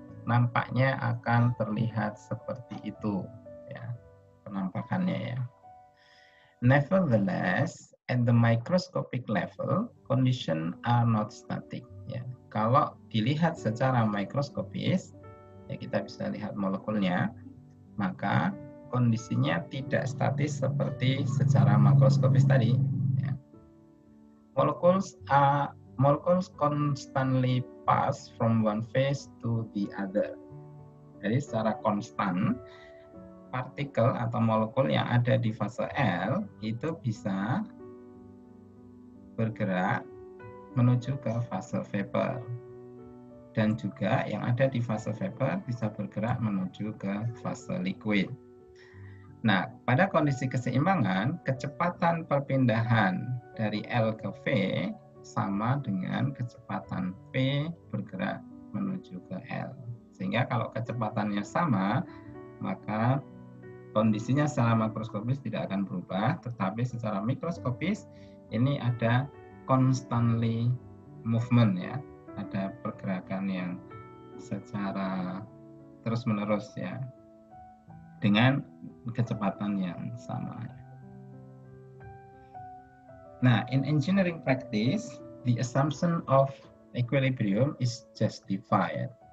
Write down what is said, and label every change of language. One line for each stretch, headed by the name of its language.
Indonesian: Nampaknya akan terlihat seperti itu, ya, penampakannya, ya.
English: Nevertheless, at the microscopic level, condition are not static.
Indonesian: Ya, kalau dilihat secara mikroskopis, ya kita bisa lihat molekulnya, maka kondisinya tidak statis seperti secara makroskopis tadi. Ya.
English: Molekuls constantly pass from one phase to the other.
Indonesian: Jadi secara konstan, partikel atau molekul yang ada di fase L itu bisa bergerak menuju ke fase vapor. Dan juga yang ada di fase vapor bisa bergerak menuju ke fase liquid. Nah, pada kondisi keseimbangan, kecepatan perpindahan dari L ke V sama dengan kecepatan V bergerak menuju ke L. Sehingga kalau kecepatannya sama, maka kondisinya secara makroskopis tidak akan berubah, tetapi secara mikroskopis ini ada
English: constantly movement,
Indonesian: ya, ada pergerakan yang secara terus-menerus, ya, dengan kecepatan yang sama.
English: Nah, in engineering practice, the assumption of equilibrium is justified.